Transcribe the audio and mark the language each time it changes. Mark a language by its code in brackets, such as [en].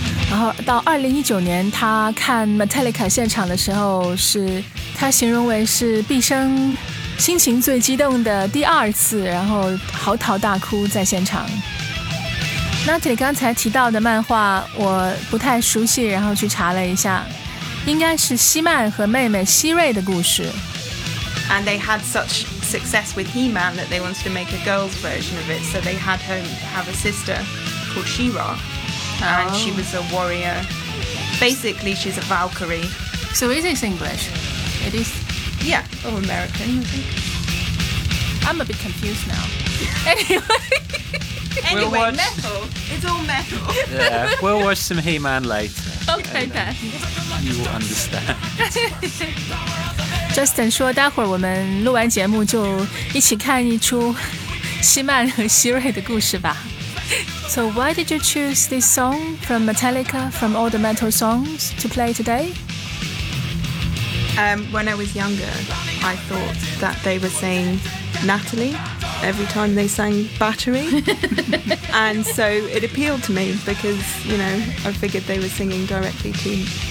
[zh] 然后到2019年，他看 Metallica 现场的时候，是他形容为是毕生心情最激动的第二次，然后嚎啕大哭在现场。 Natalie 刚才提到的漫画我不太熟悉，然后去查了一下，应该是希曼和妹妹希瑞的故事。 [en] And they had such success with He-Man that they wanted to make a girl's version of it. So they had her have a sister called She-Ra. And she was a warrior. Basically, she's a Valkyrie. So is this English? It is. Yeah, or American, I think. I'm a bit confused now. Anyway, metal. It's all metal. Yeah, we'll watch some He-Man later. Okay, then. You will understand. [zh] Justin 说待会儿我们录完节目就一起看一出希曼和希瑞的故事吧。 [en] So why did you choose this song from Metallica, from all the metal songs to play today? When I was younger, I thought that they were saying Natalie every time they sang Battery. And so it appealed to me because, you know, I figured they were singing directly to me.